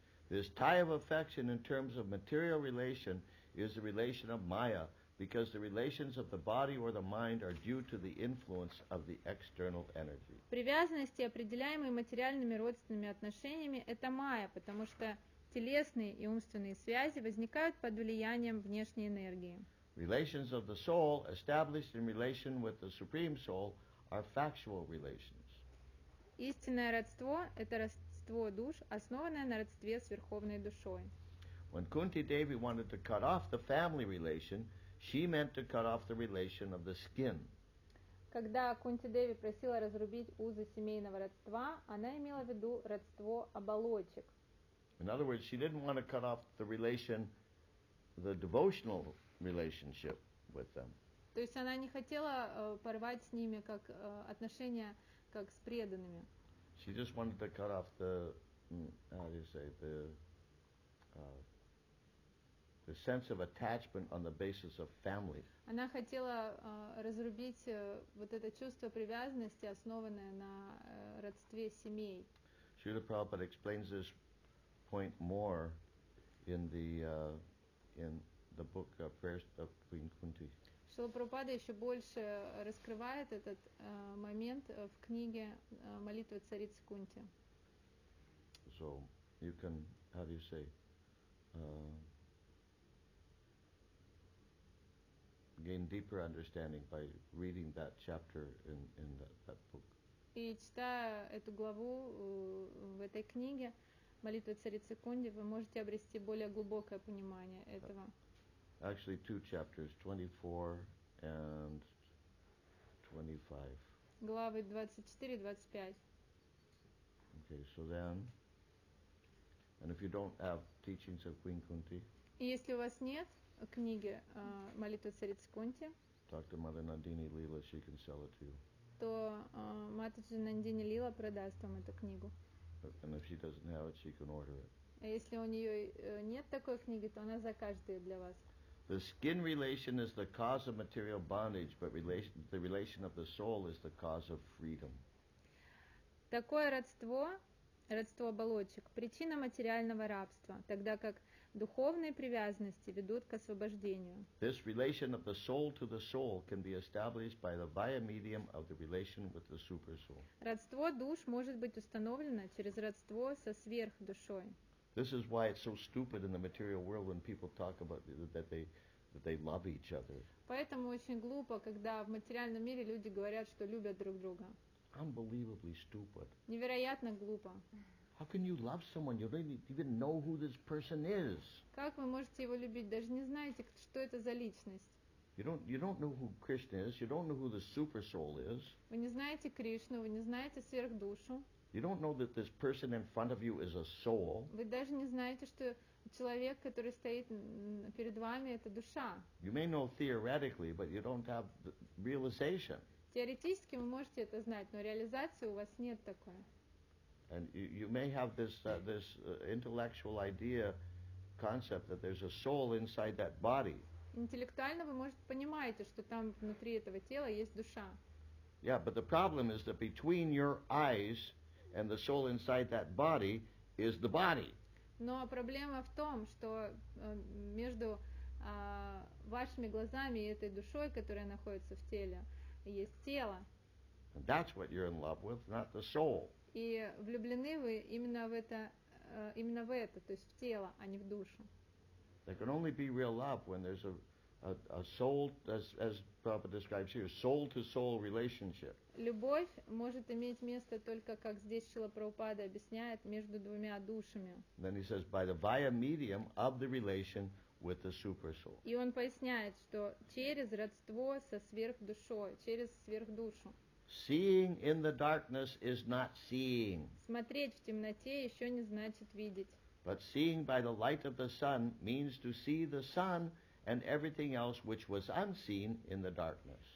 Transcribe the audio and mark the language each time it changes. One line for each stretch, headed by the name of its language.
English: This tie of affection in terms of material relation is a relation of Maya, because the relations of the body or the mind are due to the influence of the external energy.
Russian: Привязанности, определяемые материальными родственными отношениями, это Майя, потому что телесные и умственные связи возникают под влиянием внешней энергии.
English: Relations of the soul, established in relation with the Supreme Soul, are factual relations.
Russian: Истинное родство – это родство душ, основанное на родстве с Верховной Душой.
English: When Kunti Devi wanted to cut off the family relation, she meant to cut off the relation of the skin.
Russian: Когда Кунти Деви просила разрубить узы семейного родства, она имела в виду родство оболочек.
English: In other words, she didn't want to cut off the relation, the devotional relationship with them.
Russian: То есть она не хотела порвать с ними как отношения, как с преданными.
English: She just wanted to cut off the, how do you say, the the sense of attachment on the basis of family.
Russian: Она хотела разрубить вот это чувство привязанности, основанное на родстве семей.
English: Srila Prabhupada explains this point more in the book of Prayers of Queen Kunti.
Russian: Srila Prabhupada еще больше раскрывает этот момент в книге «Молитва царицы Кунти».
English: So you can, how do you say, gain deeper understanding by reading that chapter in that book.
Russian: И читая эту главу в этой книге «Молитва царицы Кунти», вы можете обрести более глубокое понимание этого.
English: Actually, two chapters, 24 and 25.
Russian: Главы 24 и 25.
English: Okay, so then, and if you don't have teachings of Queen Kunti,
Russian: и если у вас нет книги «Молитва царицы Кунти»,
English: talk to Mother Nandini Lila, she can sell it to you.
Russian: То Матаджи Нандини Лила продаст вам эту книгу.
English: And if she doesn't have it, she can order it.
Russian: А если у нее нет такой книги, то она закажет ее для вас.
English: The skin relation is the cause of material bondage, but the relation of the soul is the cause of freedom.
Russian: Такое родство, родство оболочек, причина материального рабства, тогда как духовные привязанности ведут к освобождению.
English: This relation of the soul to the soul can be established by the via medium of the relation with the super soul.
Russian: Родство душ может быть установлено через родство со сверхдушой.
English: This is why it's so stupid in the material world when people talk about that they love each other.
Russian: Поэтому очень глупо, когда в материальном мире люди говорят, что любят друг друга.
English: Unbelievably stupid.
Russian: Невероятно глупо.
English: How can you love someone you don't even know who this person is?
Russian: Как вы можете его любить, даже не знаете, что это за личность?
English: You don't know who Krishna is. You don't know who the super soul is.
Russian: Вы не знаете Кришну, вы не знаете сверхдушу.
English: You don't know that this person in front of you is a soul.
Russian: Вы даже не знаете, что человек, который стоит перед вами, это душа.
English: You may know theoretically, but you don't have the realization.
Russian: Теоретически вы можете это знать, но реализации у вас нет такой.
English: And you may have this intellectual idea, concept that there's a soul inside that body.
Russian: Интеллектуально вы, может, понимаете, что там внутри этого тела есть душа.
English: Yeah, but the problem is that between your eyes and the soul inside that body is the body.
Russian: Но проблема в том, что между вашими глазами и этой душой, которая находится в теле, есть тело.
English: And that's what you're in love with, not the soul.
Russian: И влюблены вы именно в это, то есть в тело, а не в душу.
English: There can only be real love when there's a soul, as Prabhupada describes here, soul-to-soul relationship.
Russian: Любовь может иметь место только, как здесь Шрила Прабхупада объясняет, между двумя душами.
English: Then he says, by the via medium of the relation with the super soul.
Russian: И он поясняет, что через родство со сверхдушой, через сверхдушу.
English: Seeing in the darkness is not seeing.
Russian: Смотреть в темноте еще не значит видеть.
English: But seeing by the light of the sun means to see the sun and everything else which was unseen in the darkness.